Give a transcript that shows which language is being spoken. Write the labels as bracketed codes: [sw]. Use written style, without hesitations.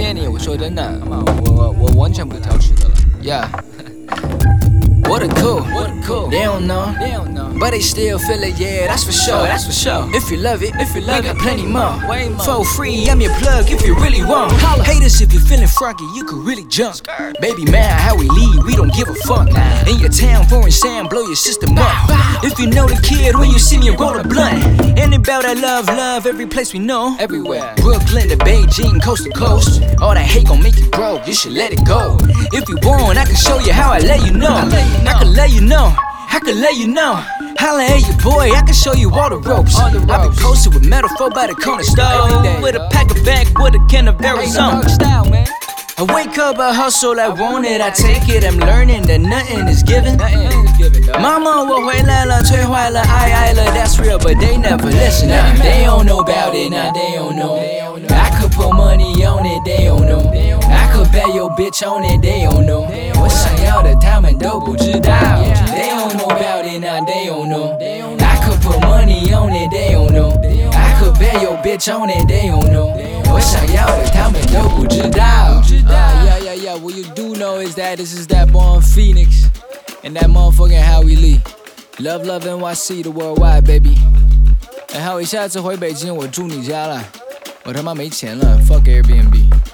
[zh] 我说真的，我完全不挑吃的了。 [en] Yeah, what a cool, they don't know, but they still feel it. Yeah, that's for sure, that's for sure. If you love it, if you love it, plenty more. For free, I'm your plug. If you really want, call haters if you're feeling froggy, you could really jump. Baby, man, how we lead, we don't give a fuck. In your town, foreign sand, blow your system up. If you know the kid, when you see me, roll a blunt. About that love, love, every place we know. Everywhere. Brooklyn to Beijing, coast to coast. All that hate gon' make you broke, you should let it go. If you want, I can show you how I let you know. I can let you know, I can let you know. Holla at your boy, I can show you all the ropes. I be posted with metal four by the corner store. With a pack of bag, with a can of Arizona. I wake up, I hustle, I want it, I take it. I'm learning that nothing is given. [zh] Mama, 我回来了，吹坏了，爱爱了。 [en] That's real, but they never listen. Now they don't know about it, now they don't know. I could put money on it, they don't know. I could bet your bitch on it, they don't know. [zh] 我想要的他们都不知道。 [en] They don't know about it, now they don't know. I could put money on it, they don't know. I could bet your bitch on it, they don't know. [zh] 我想要的他们都不知道。 [en] What you do know is that this is that born Phoenix and that motherfucking Howie Lee. Love, love NYC, the worldwide, baby. [zh] And Howie, 下次回北京我住你家了。我他妈没钱了 ， [en] fuck Airbnb.